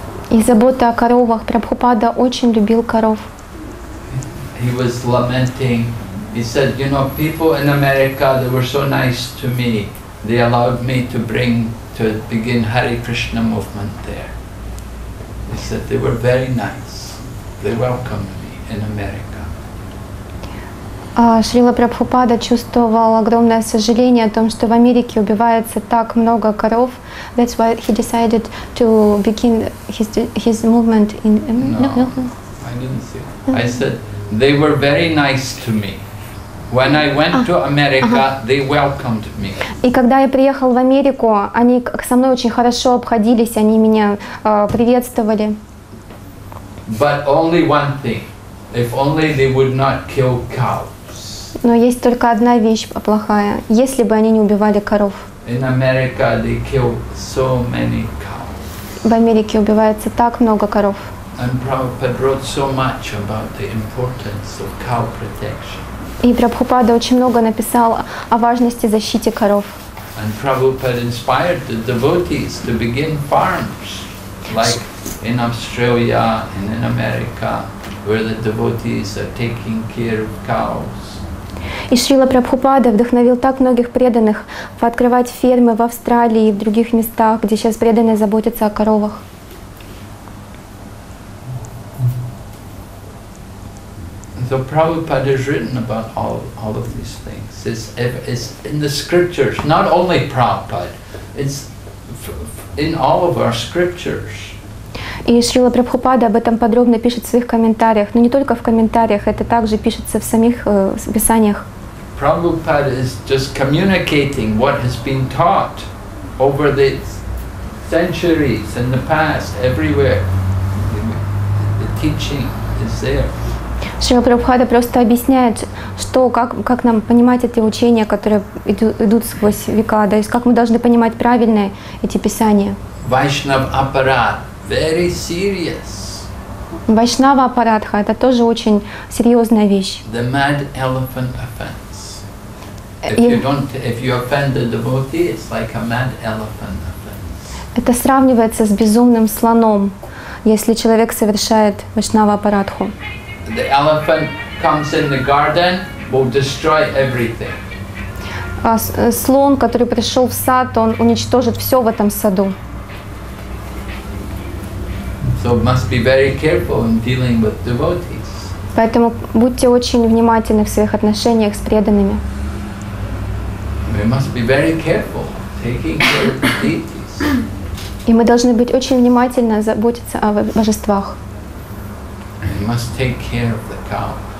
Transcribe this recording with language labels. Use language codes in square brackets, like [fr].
[ru] И забота о коровах. Прабхупада очень любил коров. [en] He was lamenting. He said, you know, people in America, they were so nice to me. They allowed me to bring to begin Hare Krishna movement there. He said they were very nice. They welcomed me in America. [ru] Шрила Прабхупада чувствовал огромное сожаление о том, что в Америке убивается так много коров. [en] That's why he decided to begin his movement in America. No, I didn't see. Mm-hmm. I said they were very nice to me. When I went to America, they welcomed me. [ru] И когда я приехал в Америку, они со мной очень хорошо обходились, они меня приветствовали. [en] But only one thing. If only they would not kill cows. [ru] Но есть только одна вещь плохая. Если бы они не убивали коров. [en] In America they kill so many cows. [ru] В Америке убивается так много коров. [en] And Prabhupada wrote so much about the importance of cow protection. [ru] И Прабхупада очень много написал о важности защиты коров. [en] And Prabhupada inspired the devotees to begin farms. Like in Australia and in America, where the devotees are taking care of cows. [ru] И Шрила Прабхупада вдохновил так многих преданных открывать фермы в Австралии и в других местах, где сейчас преданные заботятся о коровах. [en] So Prabhupada has written about all of these things. It's in the scriptures, not only Prabhupada. It's in all of our scriptures. [ru] И Шрила Прабхупада об этом подробно пишет в своих комментариях. Но не только в комментариях, это также пишется в самих писаниях. [en] Prabhupada is just communicating what has been taught over the centuries in the past, everywhere. The teaching is there. [ru] Шрила Прабхупада просто объясняет, что как нам понимать эти учения, которые идут сквозь века, то есть как мы должны понимать правильно эти писания. [en] Vaishnav aparat, very serious. [ru] Vaishnava aparatha, это тоже очень серьезная вещь. [en] The mad elephant offense. If you offend the devotee, it's like a mad elephant offense. [ru] Это сравнивается с безумным слоном, если человек совершает вайшнава апаратху. [en] The elephant comes in the garden, will destroy everything. [ru] Слон, который пришел в сад, он уничтожит все в этом саду. [en] So must be very careful in dealing with devotees. [ru] Поэтому будьте очень внимательны в своих отношениях с преданными. [en] We must be very careful taking care of devotees. [ru] И мы должны быть очень внимательны заботиться о божествах. [en] We must take care of the cow.